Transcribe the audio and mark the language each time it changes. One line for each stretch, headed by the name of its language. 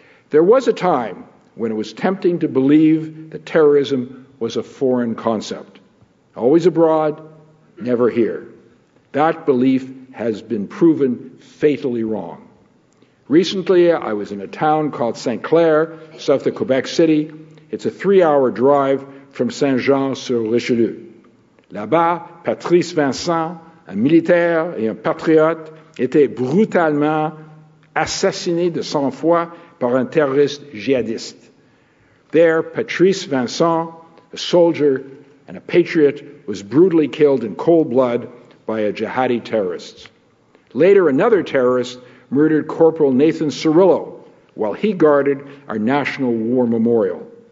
English: There was a time when it was tempting to believe that terrorism was a foreign concept, always abroad, never here. That belief has been proven fatally wrong. Recently, I was in a town called St. Clair, south of Quebec City. It's a three-hour drive from Saint-Jean-sur-Richelieu.
French: Là-bas, Patrice Vincent, un militaire et un patriote, était brutalement assassiné de sang-froid par un terroriste djihadiste.
English: There, Patrice Vincent, a soldier and a patriot, was brutally killed in cold blood by a jihadi terrorist. Later, another terrorist murdered Corporal Nathan Cirillo while he guarded our National War Memorial.